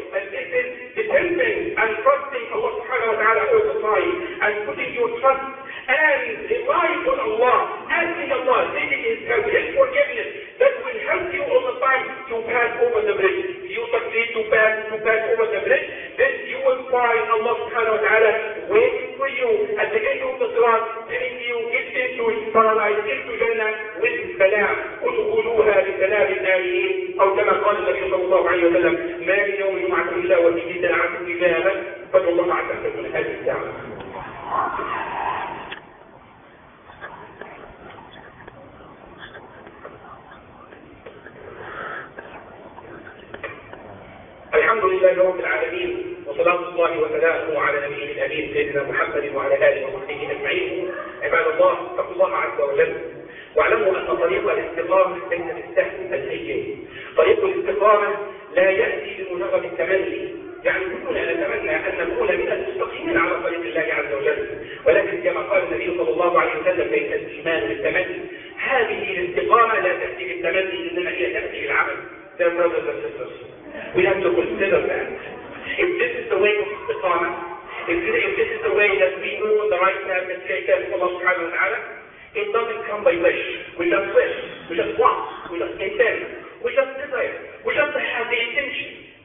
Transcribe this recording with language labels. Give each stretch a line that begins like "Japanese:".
English: And this is depending and trusting Allah subhanahu wa ta'ala all the time and putting your trust and relying on Allah, asking Allah, seeking His help, His forgiveness, that will help you all the time to pass over the bridge. If you succeed to pass over the bridge, then you will find Allah subhanahu wa ta'ala waiting for you at the end of the salah, telling you, get into His paradise, into Jannah with salam.
Arabic: ادخلوها بسلام آمنين. أو كما قال النبي صلى الله عليه وسلم, ما من يوم جمعة إلا وفيه ساعة قيامة, فادعوا الله عز وجل هذه الساعة. الحمد لله رب العالمين, وصلاة الله وسلامه على نبيه الأمين سيدنا محمد وعلى آله وصحبه أجمعين. عباد الله, اتقوا الله عز وجل, واعلموا أن طريق الاستقامة ليس بالسهل الهين. طريق الاستقامة لا يأتي بمجرد التمني, يعني كلنا نتمنى أن نكون من المستقيمين على طريق الله عز وجل, ولكن كما قال النبي صلى الله عليه وسلم, ليس الإيمان بالتمني. هذه الاستقامة لا تأتي بالتمني, إنما هي تأتي بالعمل.
English: Dear brothers and sisters, we have to consider that if this is the way of istiqama, if this is the way that we move on the right path and take care of Allah subhanahu wa ta'ala, it doesn't come by wish, we just want, we just intend, we just desire, we just have the intention.